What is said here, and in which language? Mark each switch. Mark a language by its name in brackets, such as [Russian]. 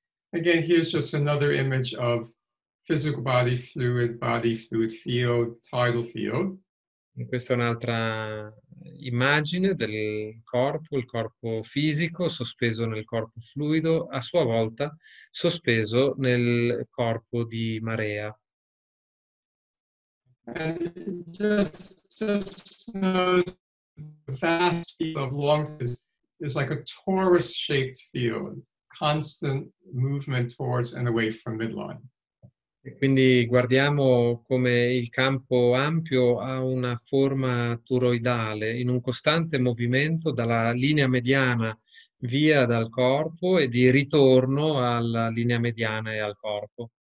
[English] Again, here's just another image of physical body, fluid field, tidal field. [Italian] E questa è un'altra immagine del corpo, il corpo fisico sospeso nel corpo fluido, a sua volta sospeso nel corpo di marea. [English] And just the vast field of long is like a torus-shaped field, constant movement towards and away from midline. [Italian] E quindi guardiamo come il campo ampio ha una forma toroidale, in un costante movimento dalla linea mediana via dal corpo e di ritorno alla linea mediana e al corpo.